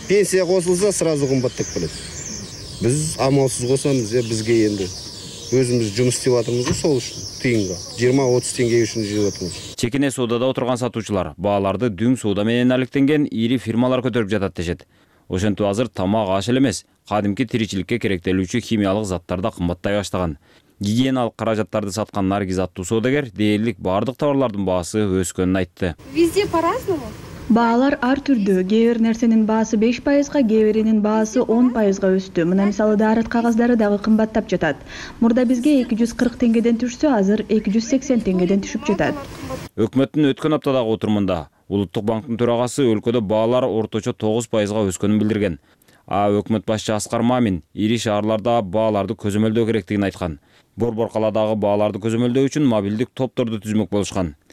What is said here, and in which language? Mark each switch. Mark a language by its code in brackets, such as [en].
[kk] Пенсия қосылса, сразу қымбаттап келеді. Біз амалсыз қосамыз, бізге енді. Өзіміз жұмыс істеп жатырмыз сол үшін, тиынға. 20-30 теңге үшін жүріп жатырмыз. [ky] Чекене саудада отырған сатушылар бааларды дүң сауда менен әліктенген ири фирмалар көтеріп жатады дешет. Ошентип азыр тамак аш эле эмес, кадимки тиричиликке керектелүүчү химиялык заттар да кымбаттай баштаган. Гигиеналык каражаттарды саткан Наргиз аттуу соодагер дээрлик бардык товарлардын баасы өскөнүн айтты. [ru] Везде по-разному. [ky] Баалар ар түрдүү. Кээ бир нерсенин баасы 5%, кээ биринин баасы 10% өстү. Мына мисалы дарыт кагаздары дагы кымбаттап жатат. Мурда бизге 240 теңгеден түшсө, азыр 280 теңгеден түшүп жатат. Өкмөттүн өткөн аптадагы отурумунда Улуттук банктын төрагасы өлкөдө баалар орточо 9% өскөнүн билдирген. А өкмөт башчы Аскар Мамин ири шаарларда бааларды көзөмөлдөө керектигин айткан. Борбор калаадагы бааларды көзөмөлдөө үчүн мобилдик топторду түзмөк болушкан.